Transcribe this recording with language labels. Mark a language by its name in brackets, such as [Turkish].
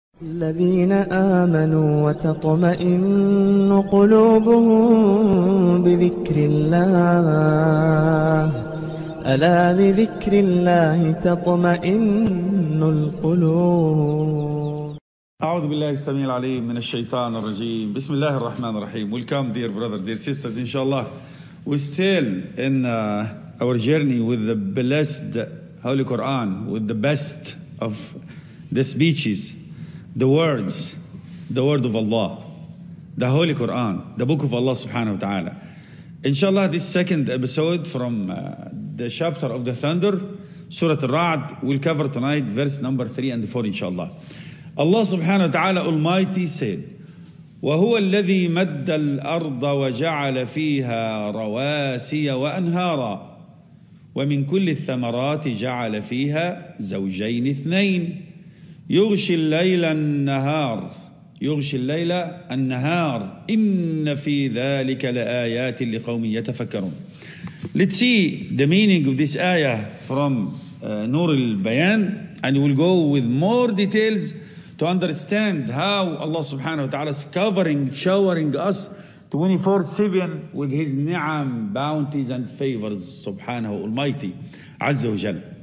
[Arabic] الذين آمنوا وتطمئن قلوبهم بذكر الله، ألا بذكر الله تطمئن القلوب. أعوذ بالله السميع العليم من الشيطان الرجيم، بسم الله الرحمن الرحيم. [English] Welcome dear brother, dear sisters. إن شاء الله we're still in our journey with the blessed Holy Quran, with the best of the speeches, the words, the word of Allah, the Holy Quran, the book of Allah subhanahu wa ta'ala. Inshallah, this second episode from the chapter of the thunder, Surah Al-Ra'd, will cover tonight verse number 3 and 4, inshallah. Allah subhanahu wa ta'ala Almighty said, [Arabic] وَهُوَ الَّذِي مَدَّ الْأَرْضَ وَجَعَلَ فِيهَا رَوَاسِيَ وَأَنْهَارًا وَمِنْ كُلِّ الثَّمَرَاتِ جَعَلَ فِيهَا زَوْجَيْنِ اثْنَيْنِ يغشي الليل النهار، يغشي الليل النهار، إن في ذلك لآيات لقوم يتفكرون. [English] Let's see the meaning of this ayah from Nur al-Bayan, and we'll go with more details to understand how Allah subhanahu wa ta'ala is covering, showering us 24/7 with His ni'am, bounties and favors, subhanahu almighty, azza wa jal.